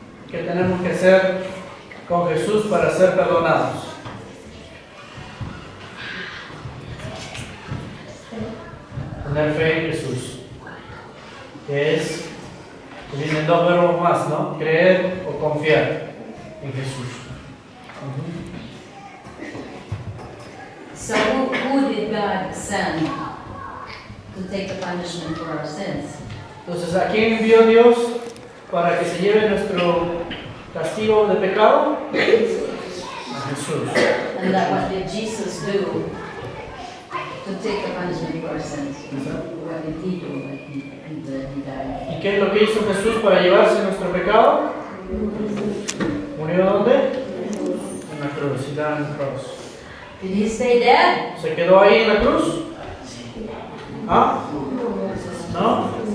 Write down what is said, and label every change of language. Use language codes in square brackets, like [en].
[es] ¿Qué tenemos que hacer con Jesús para ser perdonados? Tener fe en Jesús, que es, que vienen dos verbos más, ¿no? Creer o confiar en Jesús. [en] So who did God send to take the punishment for our sins? [es] Entonces, ¿a quién envió Dios para que se lleve nuestro castigo de pecado? A Jesús. [en] And that what did Jesus do to take the punishment for our sins? What did he do when he died? [es] ¿Y qué es lo que hizo Jesús para llevarse nuestro pecado? ¿Murió dónde? En la cruz. Y en la cruz. Did he stay dead? ¿Se quedó ahí en la cruz? ¿No?